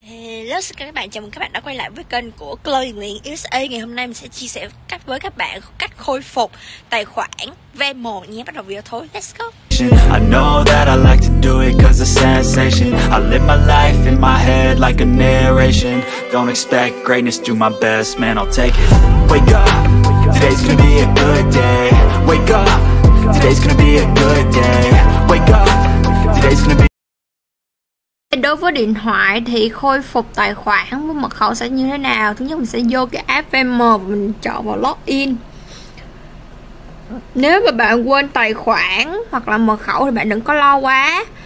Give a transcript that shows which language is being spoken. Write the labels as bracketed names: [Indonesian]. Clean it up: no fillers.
[English] Hello, [Vietnamese] xin chào các bạn, chào mừng các bạn đã quay lại với kênh của Chloé Nguyen USA. Ngày hôm nay mình sẽ chia sẻ cách với các bạn cách khôi phục tài khoản Venmo nhé. Bắt đầu video thôi, [English] let's go. I know that I like to do it cause it's sensation. I live my life in my head like a narration. Don't expect greatness, do my best, man, I'll take it. Wake up, today's gonna be a good day. Wake up, today's gonna be a good day. Wake up, today's gonna be. [Vietnamese] Đối với điện thoại thì khôi phục tài khoản với mật khẩu sẽ như thế nào? Thứ nhất, mình sẽ vô cái app Venmo và mình chọn vào login. Nếu mà bạn quên tài khoản hoặc là mật khẩu thì bạn đừng có lo quá.